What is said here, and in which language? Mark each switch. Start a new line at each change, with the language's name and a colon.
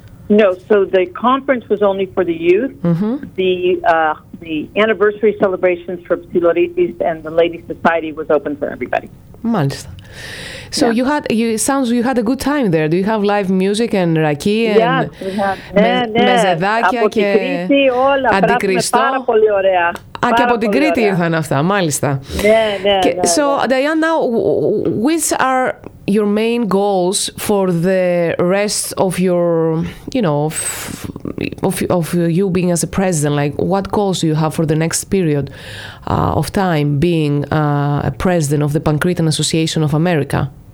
English: No, so the conference was only for the youth. Mm-hmm. The anniversary celebrations for Psilorites and the Ladies Society was open for everybody. Mm-hmm. So yeah. You had a good time there. Do you have live music and raki and
Greek: μεζεδάκια και αντικριστό? Πάρα πολύ ωραία. Α, και από την Κρήτη ήρθαν αυτά, μάλιστα. Ναι.
English: So, Diane, now, which are your main goals for the rest of your, you know, of you being as a president? Like, what goals do you have for the next period of time being a president of the Pancretan Association of America?